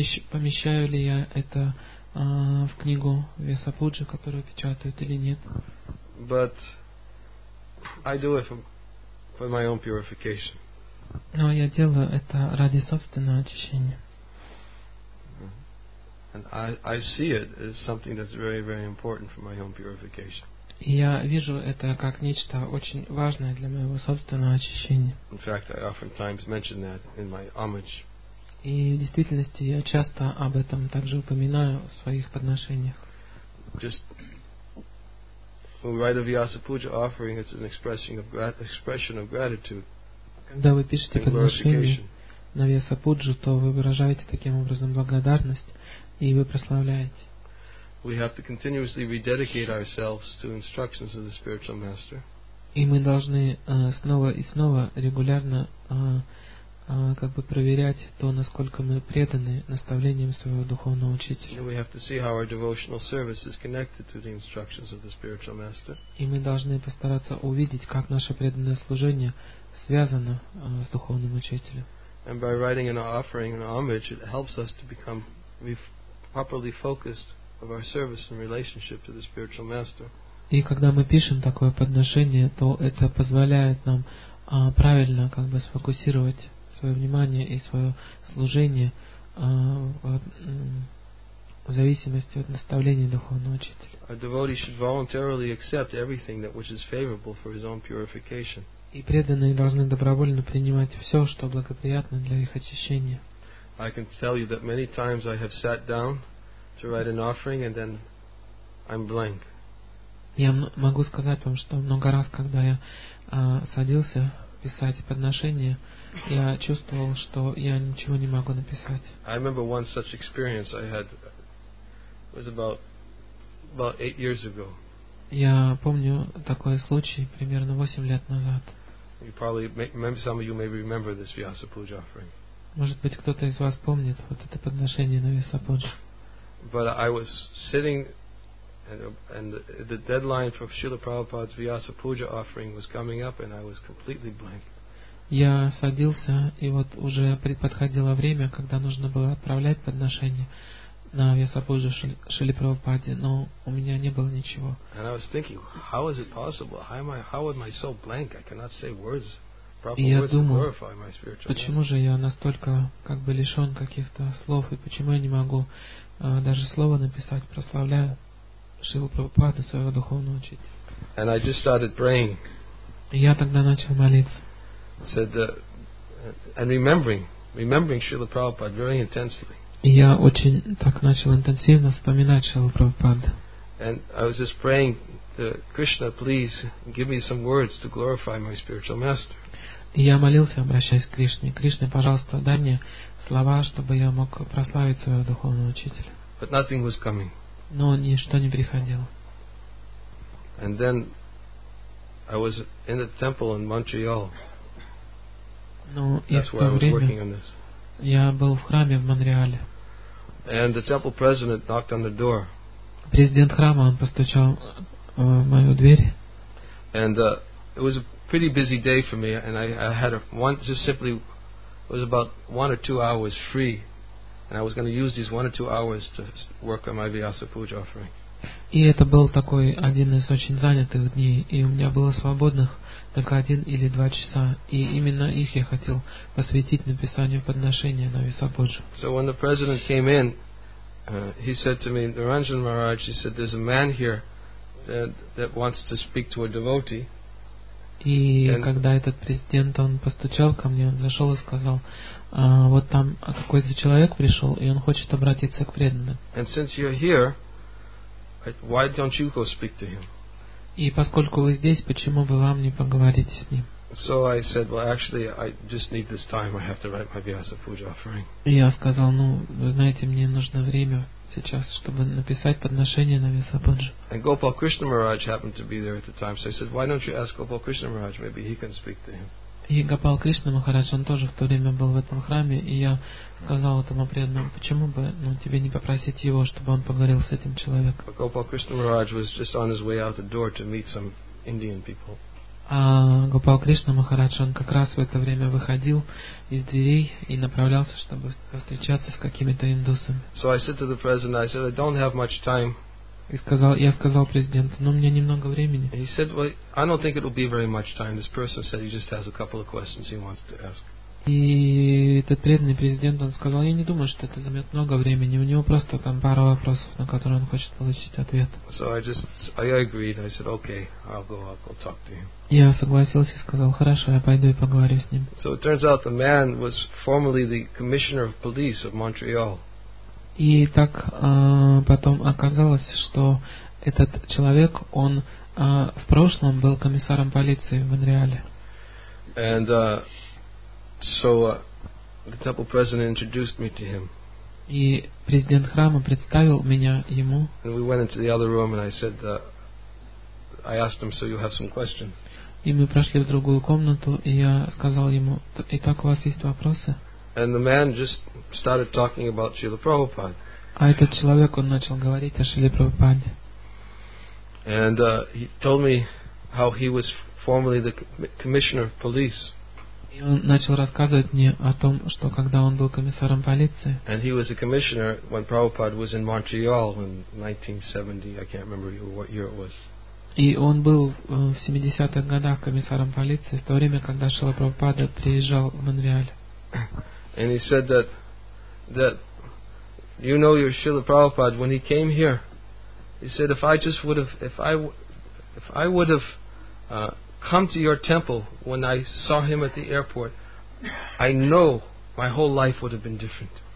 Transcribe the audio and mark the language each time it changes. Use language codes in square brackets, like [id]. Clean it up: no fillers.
[ru] Помещаю ли я это в книгу Вьяса Пуджу, которую печатают, или нет? [en] But I do it for my own purification. [ru] Но я делаю это ради собственного очищения. [en] And I see it as something that's very, very important for my own purification. [ru] И я вижу это как нечто очень важное для моего собственного очищения. [en] In fact, I oftentimes mention that in my homage. [ru] И в действительности я часто об этом также упоминаю в своих подношениях. [en] Just when we write a Vyasa Puja offering, it's an expression of gratitude. [ru] Когда вы пишете подношение на Вьяса Пуджу, то вы выражаете таким образом благодарность и вы прославляете. [en] We have to continuously rededicate ourselves to instructions of the spiritual master. [ru] И мы должны снова и снова регулярно как бы проверять то, насколько мы преданы наставлениям своего духовного учителя. [en] We have to see how our devotional service is connected to the instructions of the spiritual master. [ru] И мы должны постараться увидеть, как наше преданное служение связано с духовным учителем. [en] And by writing an offering and homage, it helps us to become properly focused of our service and relationship to the spiritual master. [ru] И когда мы пишем такое подношение, то это позволяет нам правильно как бы сфокусировать свое внимание и свое служение в зависимости от наставления духовного учителя. [en] A devotee should voluntarily accept everything that which is favorable for his own purification. [ru] И преданные должны добровольно принимать все, что благоприятно для их очищения. [en] I can tell you that many times I have sat down to write an offering and then I'm blank. [ru] Я могу сказать вам, что много раз, когда я садился писать подношение, я чувствовал, что я ничего не могу написать. [en] I remember one such experience I had. It was about 8 years ago. [ru] Я помню такой случай примерно 8 лет назад. [en] You probably, maybe some of you may remember this Vyasa Puja offering. [ru] Может быть, кто-то из вас помнит вот это подношение на Вьяса Пуджу. [en] But I was sitting, and the deadline for Srila Prabhupada's Vyasa Puja offering was coming up, and I was completely blank. [ru] Я садился, и вот уже подходило время, когда нужно было отправлять подношение на Вьяса Пуджу Шриле Прабхупаде, но у меня не было ничего. [en] And I was thinking, how is it possible? How am I so blank? I cannot say words. [ru] И я думаю, почему же я настолько как бы лишен каких-то слов, и почему я не могу даже слово написать, прославляя Шрилу Прабхупаду, своего духовного учителя. [en] And I just started praying. [ru] И я тогда начал молиться. [en] Said, and remembering Шрилу Прабхупаду very intensely. [ru] И я очень так начал интенсивно вспоминать Шрилу Прабхупаду. [en] And I was just praying to Krishna, please give me some words to glorify my spiritual master. [ru] И я молился, обращаясь к Кришне: Кришна, пожалуйста, дай мне слова, чтобы я мог прославить своего духовного учителя. [en] But nothing was coming. [ru] Но ничто не приходило. [en] And then I was in the temple in Montreal. Ну, that's where I was working on this. [ru] Я был в храме в Монреале. [en] And the temple president knocked on the door. [ru] Президент храма, он постучал в мою дверь. [en] And it was a pretty busy day for me, and I had it was about 1 or 2 hours free, and I was going to use these 1 or 2 hours to work on my Vyasa Puja offering. [ru] И это был такой один из очень занятых дней, и у меня было свободных только 1 или 2 часа, и именно их я хотел посвятить написанию подношения на Вьяса Пуджу. [en] So when the president came in, he said to me, Naranjan Maharaj, he said, there's a man here that wants to speak to a devotee. [ru] И когда этот президент, он постучал ко мне, он зашел и сказал, вот там какой-то человек пришел, и он хочет обратиться к преданным. [en] And since you're here, why don't you go speak to him? [ru] И поскольку вы здесь, почему бы вам не поговорить с ним? [en] So I said, well, actually, I just need this time. I have to write my Vyasa Puja offering. [ru] Я сказал, ну, вы знаете, мне нужно время сейчас, чтобы написать подношение на Vyasa Puja. [en] And Gopal Krishna Maharaj happened to be there at the time, so I said, why don't you ask Gopal Krishna Maharaj? Maybe he can speak to him. [ru] И Гопал Кришна Махарадж, он тоже в то время был в этом храме, и я сказал этому преданному, почему бы тебе не попросить его, чтобы он поговорил с этим человеком. [en] But Gopal Krishna Maharaj was just on his way out the door to meet some Indian people. [ru] А Гопал Кришна Махарадж, он как раз в это время выходил из дверей и направлялся, чтобы встречаться с какими-то индусами. [en] So I said to the president, I said, I don't have much time. [ru] И сказал, я сказал президенту, у меня немного времени. [en] He said, well, I don't think it'll be very much time. This person said he just has a couple of questions he wants to ask. [ru] И этот преданный президент, он сказал, я не думаю, что это займет много времени. У него просто там пара вопросов, на которые он хочет получить ответ. [en] So I agreed. I said, okay, I'll go up, I'll talk to him. [ru] Я согласился и сказал, хорошо, я пойду и поговорю с ним. [en] So it turns out the man was formerly the commissioner of police of Montreal. [ru] И так потом оказалось, что этот человек, он в прошлом был комиссаром полиции в Монреале. [en] And the temple president introduced me to him. [ru] И президент храма представил меня ему. [en] And we went into the other room and I said, I asked him, so you have some questions. [ru] И мы прошли в другую комнату, и я сказал ему, итак, у вас есть вопросы? [en] And the man just started talking about Srila Prabhupada. [ru] А этот человек, он начал говорить о Шриле Прабхупаде. [en] And he told me how he was formerly the commissioner of police. [ru] И он начал рассказывать мне о том, что когда он был комиссаром полиции. [en] And he was a commissioner when Prabhupada was in Montreal in 1970. I can't remember what year it was. [ru] И он был в 70-х годах комиссаром полиции в то время, когда Шрила Прабхупада приезжал в Монреаль. [en] And he said that you know your Srila Prabhupada when he came here. He said if I would have come to your temple when I saw him at the airport, I know my whole life would have been different.